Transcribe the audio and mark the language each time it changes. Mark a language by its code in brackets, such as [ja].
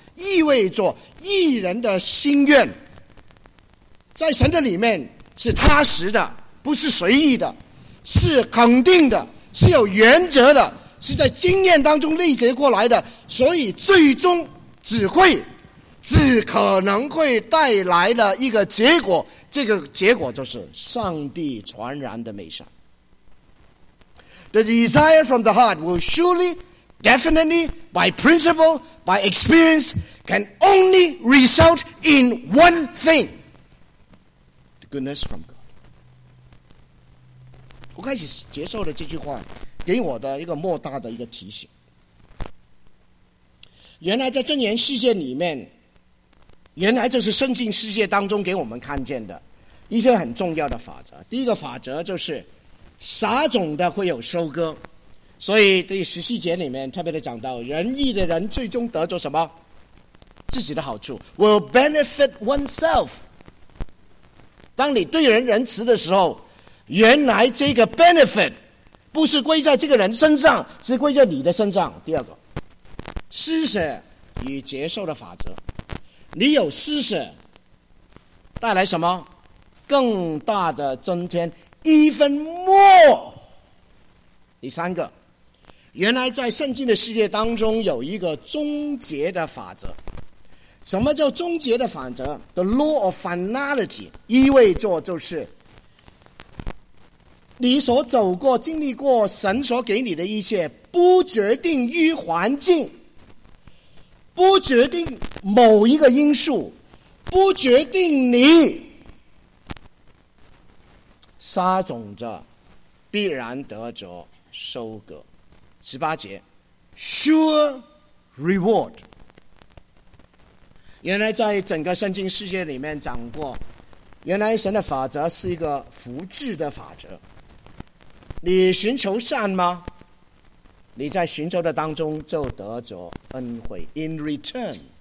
[zh] 意味着义人的心愿在神的里面是踏实的，不是随意的，是肯定的，是有原则的，是在经验当中累积过来的，所以最终只可能会带来了一个结果，这个结果就是上帝传然的美善。 [en] The desire from the heart will surely, definitely, by principle, by experience, can only result in one thing. The goodness from God. [zh] 我开始接受了这句话，给我的一个莫大的一个提醒。原来在箴言世界里面，原来就是圣经世界当中给我们看见的一些很重要的法则。第一个法则就是撒种的会有收割，所以第十七节里面特别的讲到，仁义的人最终得着什么？自己的好处， [en] will benefit oneself。 [zh] 当你对人仁慈的时候，原来这个 benefit 不是归在这个人身上，是归在你的身上。第二个，施舍与接受的法则，你有施舍带来什么？更大的增添， [en] even more。 [zh] 第三个，原来在圣经的世界当中有一个终结的法则。什么叫终结的法则？ [en] The law of finality [zh] 意味着就是你所走过经历过神所给你的一切，不决定于环境，不决定某一个因素，不决定你，撒种着必然得着收割。十八节 [en] sure reward。 [zh] 原来在整个圣经世界里面讲过，原来神的法则是一个福祉的法则。你寻求善吗？你在寻求的当中就得着恩惠 [en] in return。